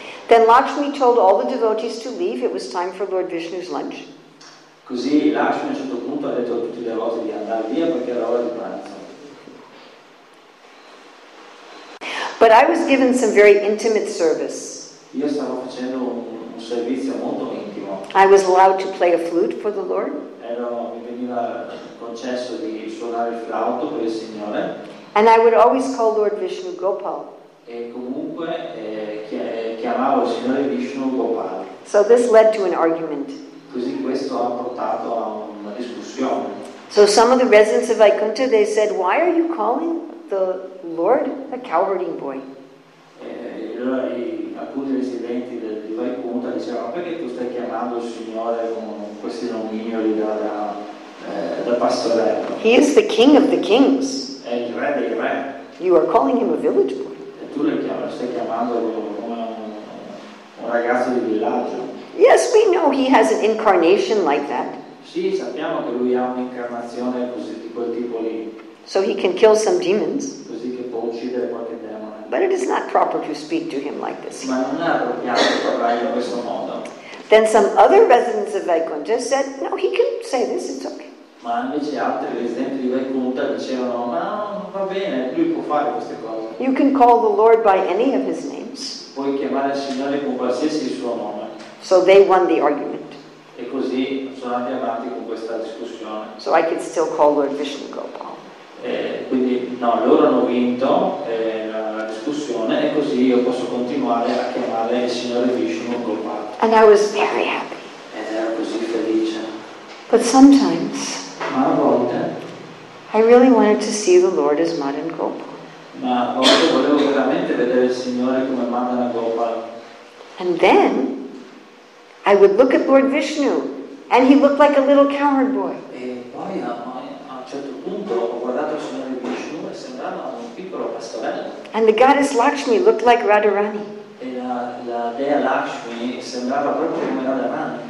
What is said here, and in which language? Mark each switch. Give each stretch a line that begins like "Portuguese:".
English: Then Lakshmi told all the devotees to leave. It was time for Lord Vishnu's lunch.
Italian: Così Lakshmi a un certo punto ha detto a tutti i devoti di andare via perché era ora di pranzo.
English: But I was given some very intimate service.
Italian: Io stavo facendo un servizio molto intimo.
English: I was allowed to play a flute for the Lord.
Italian: Mi veniva concesso di suonare il flauto per il Signore.
English: And I would always call Lord Vishnu Gopal.
Italian: E comunque chiamavo il Signore Vishnu Gopal.
English: So this led to an argument.
Italian: Così questo ha portato a una discussione.
English: So some of the residents of Vaikuntha, they said, why are you calling the Lord a cowherding boy?
Italian: Allora alcuni residenti di Vaikuntha dicevano, perché tu stai chiamando il Signore con questi nomignoli da pastorello?
English: He is the king of the kings.
Italian: È il re dei re.
English: You are calling him a village boy.
Italian: Tu lo stai chiamando come un ragazzo di villaggio.
English: Yes, we know he has an incarnation like that.
Italian: Sì, sappiamo che lui ha un'incarnazione così di quel tipo lì.
English: So he can kill some demons.
Italian: Così che può uccidere qualche demone.
English: But it is not proper to speak to him like this.
Italian: Ma non è appropriato parlare in questo modo.
English: Then some other residents of Vaikuntha said, no, he can say this, it's okay.
Italian: Ma invece altri residenti di Vaikuntha dicevano, ma va bene, lui può fare queste cose.
English: You can call the Lord by any of his names.
Italian: Puoi chiamare il Signore con qualsiasi suo nome.
English: So they won the argument.
Italian: E così sono andati avanti con questa discussione.
English: So I could still call Lord Vishnu Gopal.
Italian: Quindi no, loro hanno vinto la discussione e così io posso continuare a chiamare il Signore Vishnu Gopal.
English: And I was very happy.
Italian: Ed ero così felice.
English: But sometimes.
Italian: Ma a volte.
English: I really wanted to see the Lord as Madan Gopal.
Italian: Ma oggi volevo veramente vedere il Signore come Madan Gopal.
English: And then I would look at Lord Vishnu and he looked like a little cowherd boy.
Italian: E poi a un certo punto ho guardato il Signore Vishnu e sembrava un piccolo pastorello.
English: And the goddess Lakshmi looked like Radharani.
Italian: E la dea Lakshmi sembrava proprio come Radharani.